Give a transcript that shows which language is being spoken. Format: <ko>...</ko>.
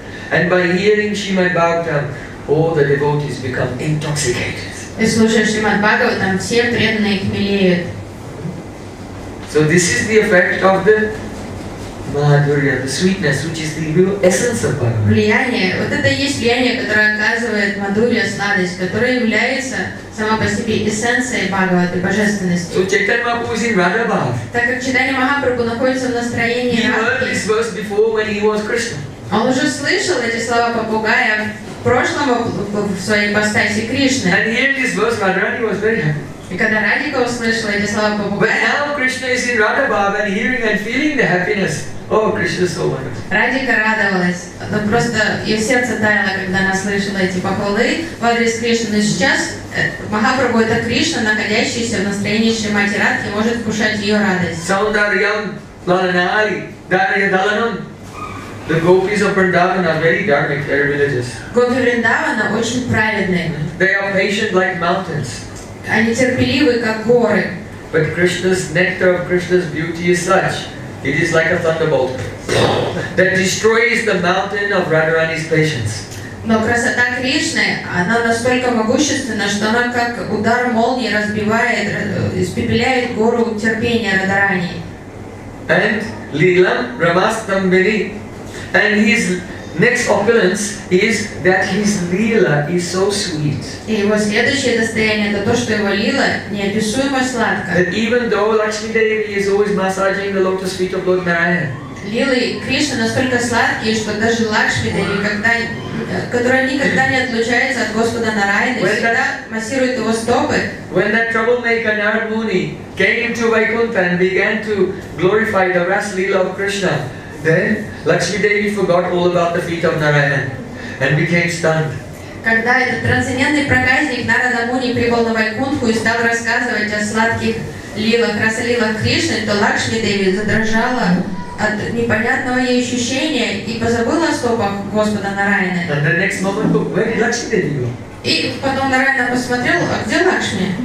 <en>And by hearing Srimad Bhagavatam, all the devotees become intoxicated.</en> <ru>И слушая Srimad Bhagavatam, все преданные хмелеют.</ru> <en>So this is the effect of the madhurya, the sweetness, which is the real essence of Bhagavan.</en> <ru>Влияние, вот это есть влияние, которое оказывает мадурья, сладость, которая является сама по себе эссенцией Бхагаваты, божественности.</ru> <en>So Chaitanya Mahaprabhu is in Radha Bhav.</en> <ru>Так как Chaitanya Mahaprabhu находится в настроении</ru> <en>He heard this verse before when he was Krishna.</en> <ru>Он уже слышал эти слова попугая в прошлом, в своей ипостаси Кришны.</ru> <en>And hearing this verse, Radharani was very happy.</en> <ru>И когда Радика услышала эти слова попугая,</ru> <en>but now Krishna is in Radha Bhav and hearing and feeling the happiness. Oh, Krishna is so wonderful.</en> <ru>Радика радовалась, но просто ее сердце таяло, когда она слышала эти похвалы в адрес Кришны. Сейчас Махапрабху — это Кришна, находящийся в настроении Шримати Радхи, может вкушать ее радость.</ru> <sa>Саундарьям лананари дарья даланам.</sa> <en>The gopis of Vrindavan are very dharmic, very religious.</en> <ru>Гопи Вриндавана очень праведные.</ru> <en>They are patient like mountains.</en> <ru>Они терпеливы, как горы.</ru> <en>But Krishna's nectar of Krishna's beauty is such, it is like a thunderbolt that destroys the mountain of Radharani's patience.</en> <ru>Но красота Кришны, она настолько могущественна, что она как удар молнии разбивает, испепеляет гору терпения Радарани.</ru> <sa>And Lilam Ramastam Vini.</sa> <en>And his next opulence is that his lila is so sweet.</en> <ru>И его следующее достояние — это то, что его лила неописуемо сладко.</ru> <en>That even though Lakshmi Devi is always massaging the lotus feet of Lord Narayan.</en> <ru>Лилы Кришны настолько сладкие, что даже Лакшми Деви, которая никогда не отлучается от Господа Нараяны, всегда массирует его стопы.</ru> <en>When that troublemaker Narad Muni came into Vaikuntha and began to glorify the Ras Lila of Krishna, then Lakshmi Devi forgot all about the feet of Narayan and became stunned.</en> <ru>Когда этот трансцендентный проказник Нарада Муни прибыл на Вайкунтху и стал рассказывать о сладких лилах, красолилах Кришны, то Лакшми Деви задрожала от непонятного ей ощущения и позабыла о стопах Господа Нараяны.</ru> <en>And the next moment, where did Lakshmi Devi go?</en> <ru>И потом Нараяна посмотрел, а где Лакшми?</ru>